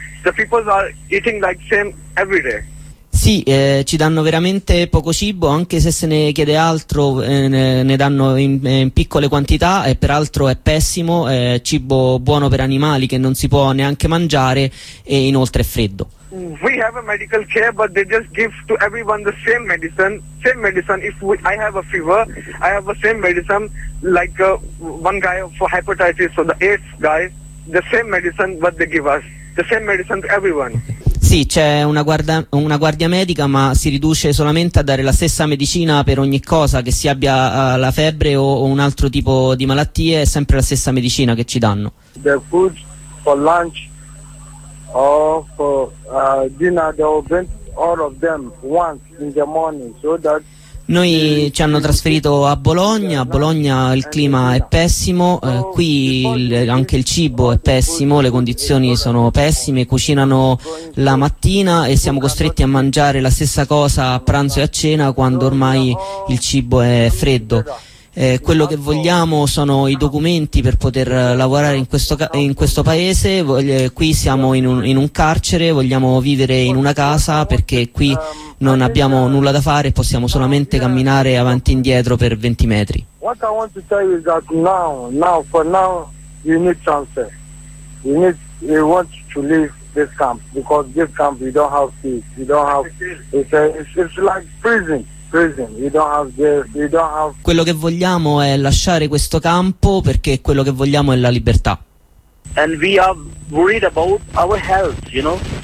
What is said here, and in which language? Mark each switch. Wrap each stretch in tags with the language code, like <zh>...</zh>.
<en>the people are eating like same every day.</en> <it>Sì, ci danno veramente poco cibo, anche se se ne chiede altro, ne danno in piccole quantità, e peraltro è pessimo, è cibo buono per animali che non si può neanche mangiare, e inoltre è freddo.</it> <en>We have a medical care, but they just give to everyone the same medicine. Same medicine. If we, I have a fever, I have the same medicine. Like one guy for hepatitis, so the AIDS guy, the same medicine what they give us. The same medicine to everyone.</en> <it>Sì, c'è una guardia medica, ma si riduce solamente a dare la stessa medicina per ogni cosa, che si abbia la febbre o un altro tipo di malattie, è sempre la stessa medicina che ci danno.</it> <en>The food for lunch or for dinner, they will bring all of them once in the morning, so that.</en> <it>Noi ci hanno trasferito a Bologna. A Bologna il clima è pessimo, qui anche il cibo è pessimo, le condizioni sono pessime, cucinano la mattina e siamo costretti a mangiare la stessa cosa a pranzo e a cena quando ormai il cibo è freddo. Quello che vogliamo sono i documenti per poter lavorare in questo paese. Qui siamo in un carcere, vogliamo vivere in una casa perché qui non abbiamo nulla da fare, possiamo solamente camminare avanti e indietro per 20 metri.</it> <en>What I want to tell you is that now you need transfer. You want to leave this camp because this camp you don't have peace. You don't have it's like prison.</en> <it>Quello che vogliamo è lasciare questo campo, perché quello che vogliamo è la libertà.</it> <en>And we are worried about our health, you know.</en>